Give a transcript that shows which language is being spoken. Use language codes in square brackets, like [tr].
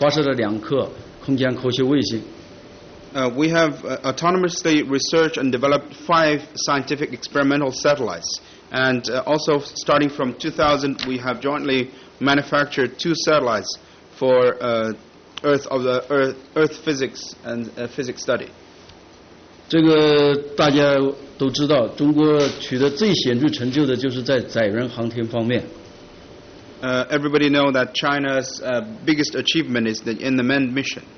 [zh] 我们在前几年自行自己研制发射了有5颗科学卫星。前年，从2000年我们又跟欧洲空间就是联合研制发射了2颗空间科学卫星。 [en] We have autonomously researched and developed 5 scientific experimental satellites. And also, starting from 2000, we have jointly manufactured 2 satellites for Earth physics and physics study. [zh] 这个大家都知道，中国取得最显著成就的就是在载人航天方面。 [en] Everybody know that China's biggest achievement is in the manned mission.